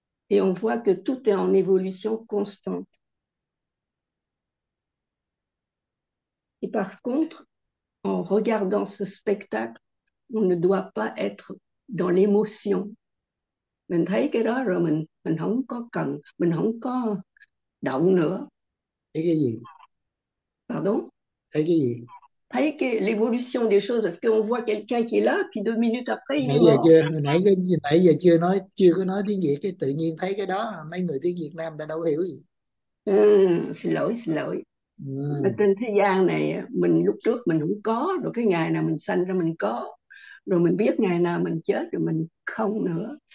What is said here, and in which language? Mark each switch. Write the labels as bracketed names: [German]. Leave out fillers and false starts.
[French] Et on voit que tout est en évolution constante. Et par contre, en regardant ce spectacle, on ne doit pas être dans l'émotion. [Vietnamese] Mình thấy cái đó rồi mình không có cần, mình không có động nữa. Cái gì? [French] Pardon? [Vietnamese] Thấy cái gì? Thấy cái [French] l'évolution des choses, parce qu'on voit quelqu'un qui est là, puis 2 minutes après, il est [Vietnamese] Nãy giờ [French] mort. [Vietnamese] chưa, nãy giờ chưa nói, chưa có nói tiếng Việt, cái tự nhiên thấy cái đó, mấy người tiếng Việt Nam ta đâu hiểu gì. Xin lỗi, xin lỗi. Ở trên thế gian này, mình lúc trước mình không có, rồi cái ngày nào mình sanh ra mình có, rồi mình biết ngày nào mình chết, rồi mình không nữa.